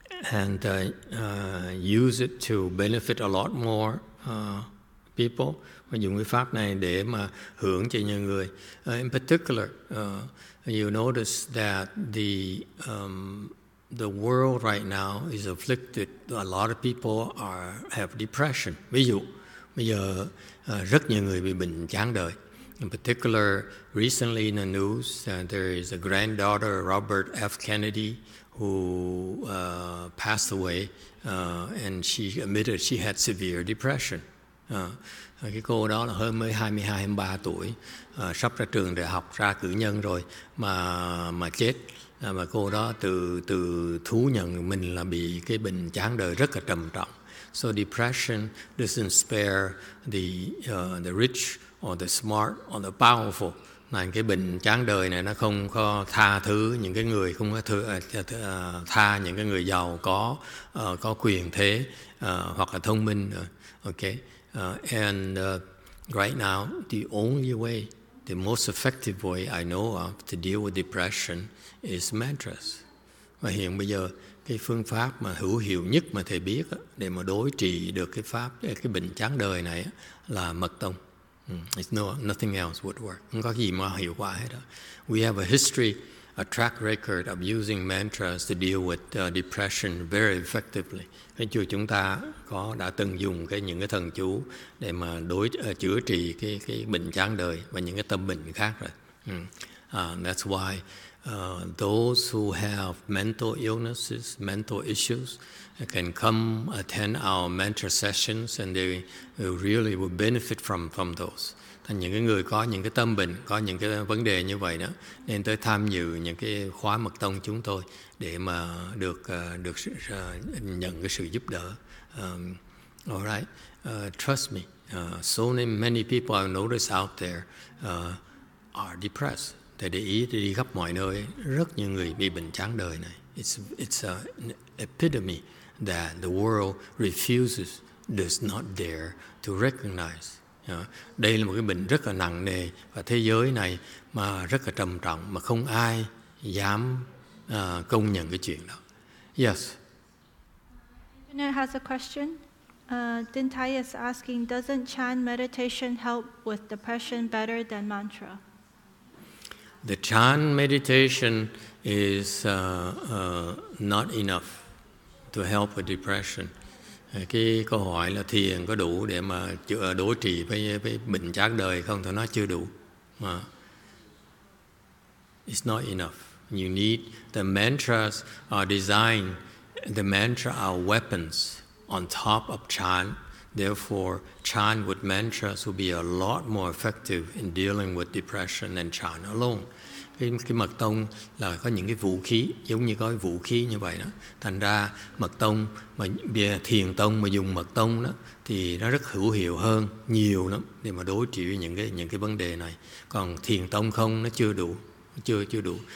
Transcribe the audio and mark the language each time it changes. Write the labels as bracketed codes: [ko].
[en] And use it to benefit a lot more people. [vi] Và dùng cái pháp này để mà hưởng cho nhiều người. [en] In particular, you notice that the world right now is afflicted. A lot of people have depression. [vi] Ví dụ, bây giờ rất nhiều người bị bệnh chán đời. [en] In particular, recently in the news, there is a granddaughter, Robert F. Kennedy, who passed away, and she admitted she had severe depression. [vi] Cái cô đó là hơn mới 22-23 tuổi, sắp ra trường đại học, ra cử nhân rồi mà chết. Mà cô đó từ thú nhận mình là bị cái bệnh chán đời rất là trầm trọng. [en] So depression doesn't spare the rich or the smart or the powerful. [vi] Này, cái bệnh chán đời này nó không có tha thứ những cái người không có tha những cái người giàu có quyền thế hoặc là thông minh. [en] Okay. And Right now, the only way, the most effective way I know of to deal with depression is mantras. [vi] Và hiện bây giờ, cái phương pháp mà hữu hiệu nhất mà thầy biết để mà đối trị được cái pháp, cái bệnh chán đời này là mật tông. [en] It's no, nothing else would work. [vi] Không có gì mà hiệu quả hết. [en] We have a history, a track record of using mantras to deal with depression very effectively. [vi] Cái chùa chúng ta có đã từng dùng cái những cái thần chú để mà đối chữa trị cái bệnh chán đời và những cái tâm bệnh khác rồi. [en] That's why those who have mental illnesses, mental issues, can come attend our mantra sessions and they really will benefit from those. [vi] Thành những cái người có những cái tâm bệnh, có những cái vấn đề như vậy đó, nên tới tham dự những cái khóa mật tông chúng tôi để mà được được nhận cái sự giúp đỡ. [en] Alright, trust me, so many people I've noticed out there are depressed. [vi] Thầy để ý thì đi khắp mọi nơi, rất nhiều người bị bệnh chán đời này. [en] It's an epidemic that the world refuses, does not dare to recognize. [vi] Đây là một cái bệnh rất là nặng nề và thế giới này mà rất là trầm trọng mà không ai dám công nhận cái chuyện đó. [en] Yes. Internet has a question. Dintai is asking, doesn't chan meditation help with depression better than mantra? The chan meditation is not enough to help with depression. [vi] Cái câu hỏi là thiền có đủ để mà chữa đối trị với bệnh chán đời không? Thì nó chưa đủ. [en] It's not enough. You need the mantras are designed. The mantra are weapons on top of chan. Therefore, chan with mantras will be a lot more effective in dealing with depression than chan alone. [vi] Cái mật tông là có những cái vũ khí, giống như có vũ khí như vậy đó. Thành ra mật tông, mà thiền tông mà dùng mật tông đó, thì nó rất hữu hiệu hơn, nhiều lắm, để mà đối trị với những cái vấn đề này. Còn thiền tông không, nó chưa đủ, chưa đủ.